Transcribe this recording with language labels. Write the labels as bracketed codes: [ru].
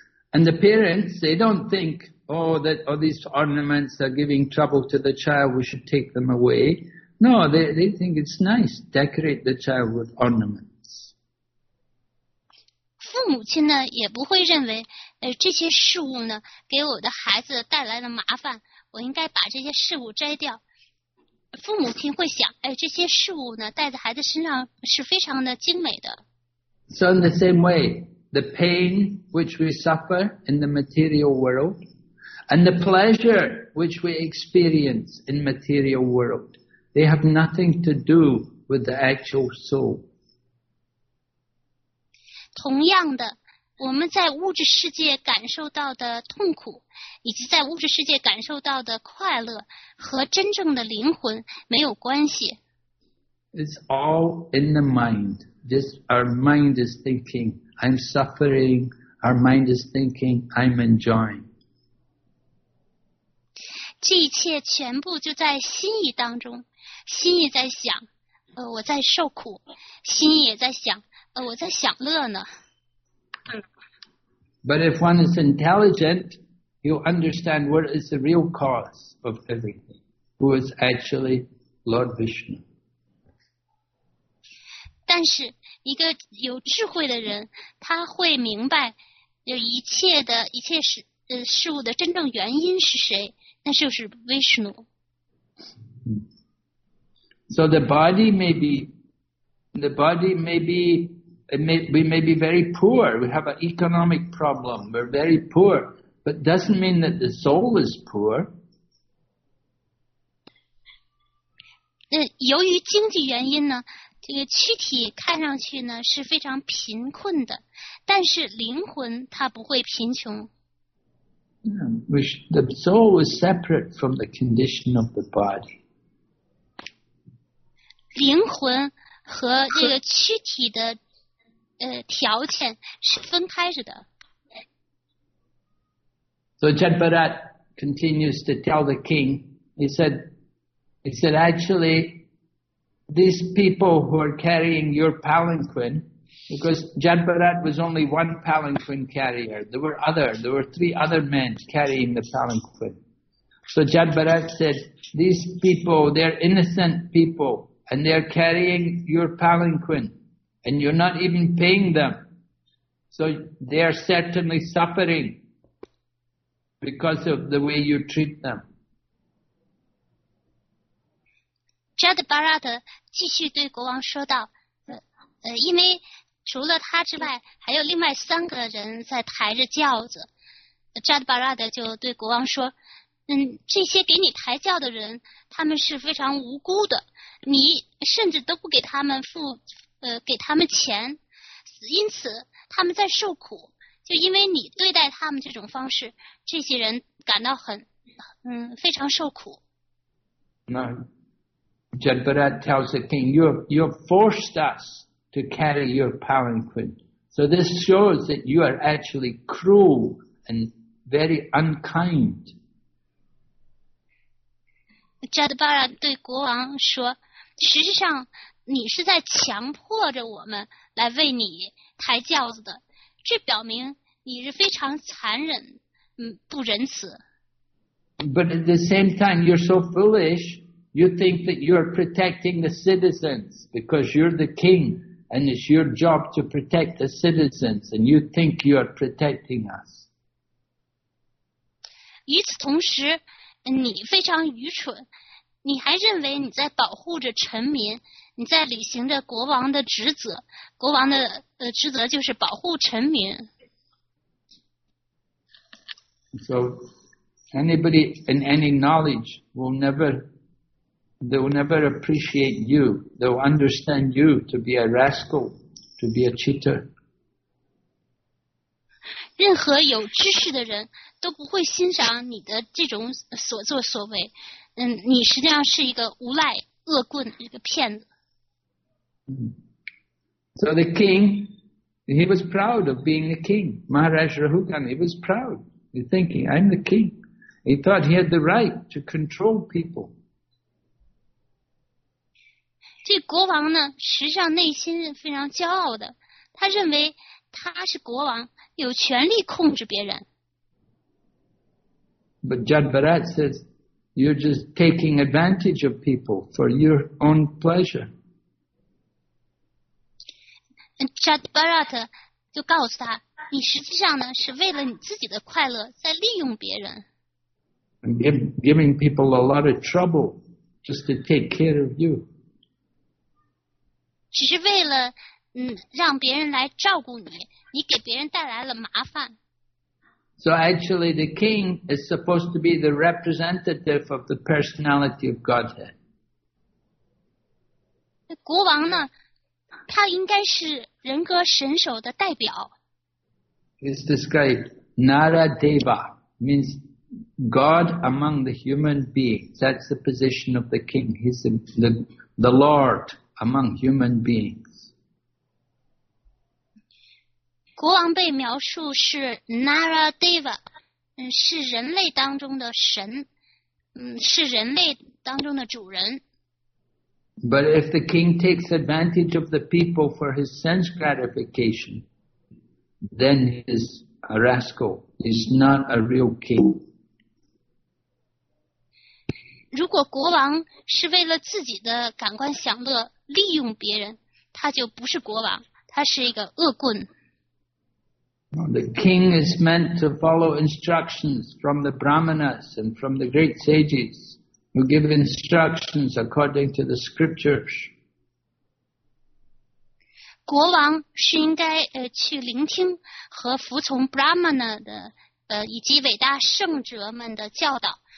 [en] And the parents, they don't think, oh, that all these ornaments are giving trouble to the child, we should take them away. No, they think it's nice, decorate the child with ornaments. [zh] 父母亲呢，也不会认为，这些事物呢，给我的孩子带来了麻烦，我应该把这些事物摘掉。父母亲会想，这些事物呢，带在孩子身上是非常的精美的。 [en] So in the same way, the pain which we suffer in the material world, and the pleasure which we experience in material world, they have nothing to do with the actual soul. [zh] 同样的，我们在物质世界感受到的痛苦，以及在物质世界感受到的快乐，和真正的灵魂没有关系。 [en] It's all in the mind. Just our mind is thinking, I'm suffering. Our mind is thinking, I'm enjoying. [zh] 这一切全部就在心意当中，心意在想，我在受苦，心意也在想，我在享乐呢。 [en] But if one is intelligent, he'll understand what is the real cause of everything, who is actually Lord Vishnu. [zh] 但是一个有智慧的人，他会明白一切事物的真正原因是谁，那就是 Vishnu. [en] So the body may be,we may be very poor, we have an economic problem, we're very poor, but doesn't mean that the soul is poor. [zh] 由于经济原因呢，这个躯体看上去呢是非常贫困的，但是灵魂它不会贫穷。 [en] The soul is separate from the condition of the body. [zh] 灵魂和这个躯体的条件是分开着的。 [en] So Jadbharat continues to tell the king, he said, actually, these people who are carrying your palanquin, because Jadbharat was only one palanquin carrier, there were three other men carrying the palanquin. So Jadbharat said, these people, they're innocent people, and they're carrying your palanquin. And you're not even paying them. So they are certainly suffering because of the way you treat them. j a [zh] 的巴拉德继续对国王说道，因为除了他之外还有另外三个人在抬着轿子。扎德巴拉德就对国王说，这些给你抬轿的人他们是非常无辜的，你甚至都不给他们付给他们钱，因此他们在受苦，就因为你对待他们这种方式，这些人感到很非常受苦。那 [en] Jadbarat tells the king, you've forced us to carry your palanquin. So this shows that you are actually cruel and very unkind. [zh] Jadbarat 对国王说，实际上你是在强迫着我们来为你抬轿子的，这表明你是非常残忍，不仁慈。 [en] But at the same time, you're so foolish. You think that you're protecting the citizens because you're the king and it's your job to protect the citizens and you think you're protecting us. [zh] 与此同时，你非常愚蠢，你还认为你在保护着臣民，你在履行着国王的职责，国王的职责就是保护臣民。 [en] So anybody in any knowledge will never appreciate you. They'll understand you to be a rascal, to be a cheater. [zh] 任何有知识的人都不会欣赏你的这种所作所为。你实际上是一个无赖、恶棍、一个骗子。 [en] So the king, he was proud of being the king. Maharaj Rahugan, he was proud. He's thinking, I'm the king. He thought he had the right to control people. [zh] 这国王呢，实际上内心是非常骄傲的，他认为他是国王，有权利控制别人。 [en] But Jadbarat says, you're just taking advantage of people for your own pleasure. [zh] Jadbarat 就告诉他，你实际上呢，是为了你自己的快乐，在利用别人。 [en] And giving people a lot of trouble just to take care of you. [zh] 只是为了让别人来照顾你，你给别人带来了麻烦。 [en] So actually the king is supposed to be the representative of the personality of Godhead. [zh] 国王呢，他应该是人格神首的代表。 [en] It's described Naradeva, means God among the human beings. That's the position of the king. He's the Lord. Among human beings. [zh] 国王被描述是 Naradeva, 是人类当中的神，是人类当中的主人。 [en] But if the king takes advantage of the people for his sense gratification, then he is a rascal. He's not a real king. [zh] 如果国王是为了自己的感官享乐利用别人，他就不是国王，他是一个恶棍。 [en] The king is meant to follow instructions from the brahmanas and from the great sages who give instructions according to the scriptures. [zh] 国王是应该去聆听和服从 brahmana 的以及伟大圣哲们的教导。